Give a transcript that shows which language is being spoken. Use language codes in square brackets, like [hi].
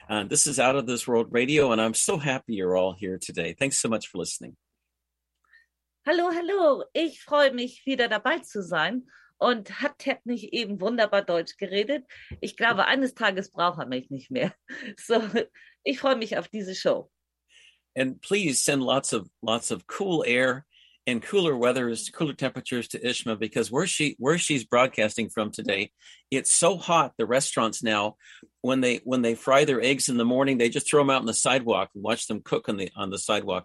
[en] This is Out of This World Radio, and I'm so happy you're all here today. Thanks so much for listening. [de] Hallo, ich freue mich, wieder dabei zu sein. Und hat Ted nicht eben wunderbar Deutsch geredet? Ich glaube, eines Tages braucht er mich nicht mehr. So, ich freue mich auf diese Show. [en] And please send lots of cool air and cooler temperatures to Ishma, because where she's broadcasting from today, it's so hot. The restaurants now, when they fry their eggs in the morning, they just throw them out on the sidewalk and watch them cook on the sidewalk.